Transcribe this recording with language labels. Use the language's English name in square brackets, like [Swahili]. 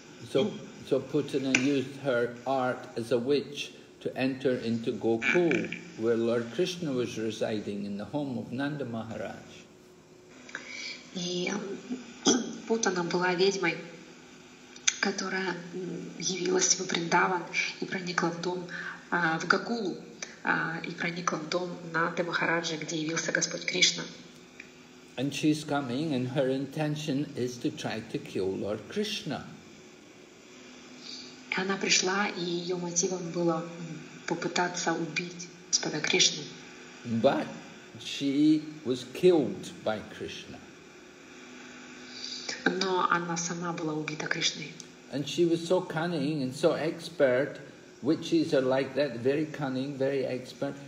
[English] So Putana used her art as a witch to enter into Gokul, where Lord Krishna was residing in the home of Nanda Maharaj. [Russian] И Путана была ведьмой, которая явилась в Вриндаван и проникла в дом в Гокулу и проникла в дом Нанды Махараджи, где явился Господь Кришна. [English] And she's coming, and her intention is to try to kill Lord Krishna. [Russian] Она пришла, и ее мотивом было попытаться убить Господа Кришну. [English] But she was killed by Krishna. [Russian] Но она сама была убита Кришной. [English] And she was so cunning and so expert. Witches are like that, very cunning, very expert.